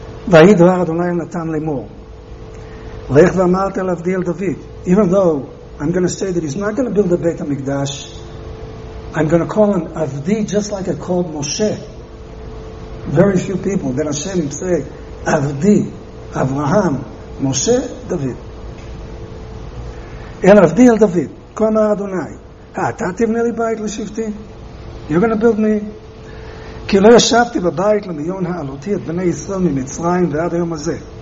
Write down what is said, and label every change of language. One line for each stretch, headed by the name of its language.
Hebrew: ויהי דבר אדוני נתן לאמור. לך ואמרת לעבדי אל דוד.
English: Even though I'm going to say that he's not going to build a Beit HaMikdash, I'm going to call him Avdi, just like I called Moshe. Very few people that Hashem say Avdi, Avraham, Moshe, David.
Hebrew: אל עבדי אל דוד. כה אמר אדוני, אתה תבנה לי בית לשבתי?
English: You're going to build me?
Hebrew: כי לא ישבתי בבית למיון העלותי את בני ישראל ממצרים ועד היום הזה.